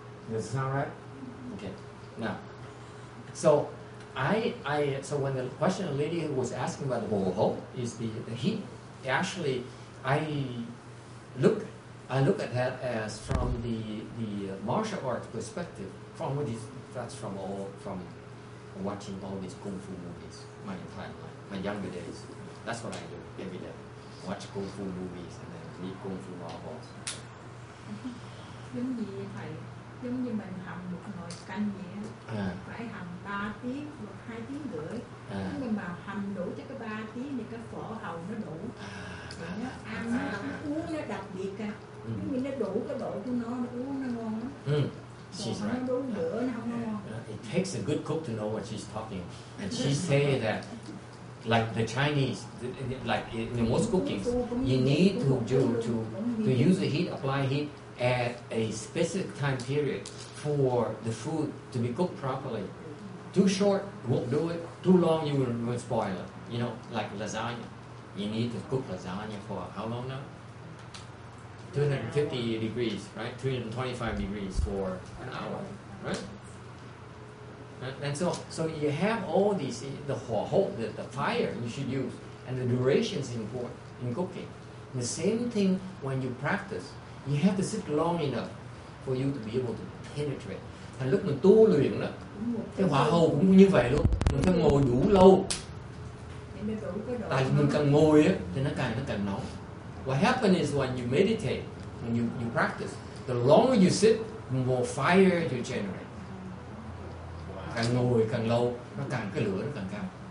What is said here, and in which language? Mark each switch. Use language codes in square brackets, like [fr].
[en] Does it sound right? Okay. Now, so I when the question the lady was asking about the ho ho is the heat, actually I look at that as from the martial arts perspective, from watching all these kung fu movies my entire life, my younger days. That's what I do every day. Watch kung fu movies and then read kung fu novels. [vi] Giống gì vậy thầy? Giống như mình hầm một nồi canh vậy á, phải hầm 3 tiếng hoặc 2 tiếng rưỡi. Nhưng mà hầm đủ cho cái 3 tiếng thì cái phở hầu nó đủ. Ăn nó uống nó đặc biệt á. Giống như nó đủ cái độ của nó uống nó ngon lắm. [en] She's right. It takes a good cook to know what she's talking. And she say that, like the Chinese, like in most cookings, you need to use the heat, apply heat at a specific time period for the food to be cooked properly. Too short, won't do it. Too long, you will spoil it. You know, like lasagna. You need to cook lasagna for how long now? 250 degrees, right? 325 degrees for an hour, right? And so you have all these, the hua ho, the fire you should use, and the duration is important in cooking. And the same thing when you practice, you have to sit long enough for you to be able to penetrate. [vi] Thành lúc mình tu luyện đó, cái hỏa hầu cũng như vậy luôn. Mình phải ngồi đủ lâu. Tại vì mình càng ngồi á, thì nó càng nóng. [en] What happens is when you meditate, when you practice, the longer you sit, the more fire you generate. [vi] Càng ngồi càng lâu, nó càng cái lửa nó càng cao.